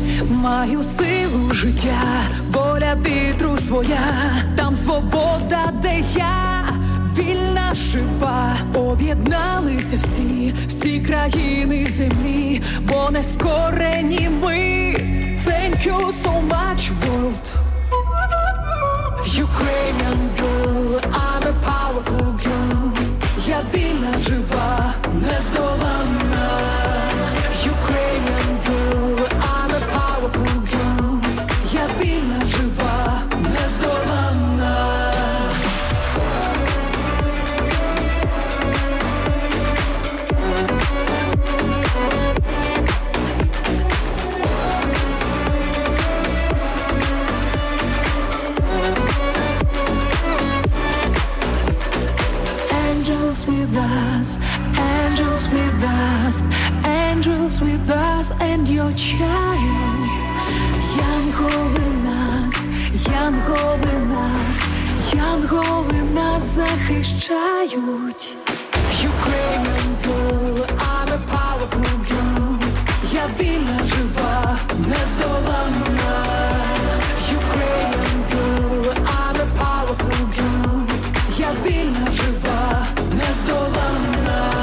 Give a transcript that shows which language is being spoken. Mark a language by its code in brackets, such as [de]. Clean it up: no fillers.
[uk] маю силу життя, воля вітру своя, там свобода, де я вільна, жива. Об'єдналися всі, всі країни землі, бо не скорені ми. [en] Thank you so much, world. Ukrainian girl, I'm a powerful girl. [uk] Я вільна, жива, нездоланна. [en] Ukrainian girl, I'm a powerful girl. [uk] Я вільна, жива, нездоланна. [en] Angels with us, angels with us, angels with us and your child. [uk] Янгол у нас, Янгол у нас, Янгол у нас захищають. [en] Ukrainian girl, I'm a powerful girl. [uk] Я вільна, жива, нездоланна. [en] Ukrainian girl, I'm a powerful girl. [uk] Я вільна, жива, нездоланна.